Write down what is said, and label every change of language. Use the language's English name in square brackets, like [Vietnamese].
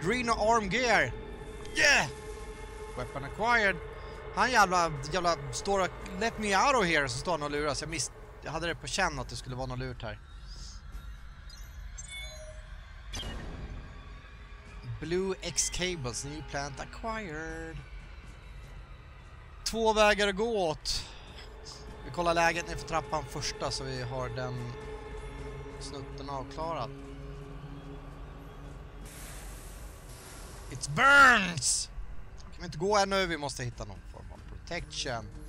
[English] Arm gear. Yeah. Weapon acquired. [Swedish] Han jävla stora [English] let me out of here, [Swedish] så står han och luras. Jag hade det på känn att det skulle vara något lurt här. [English] Blue X cables, new plant acquired. [Swedish] Två vägar att gå åt. Vi kollar läget nerför trappan första, så vi har den snutten avklarad. [English] It burns! [Swedish] Kan vi inte gå ännu? Vi måste hitta någon form av protection.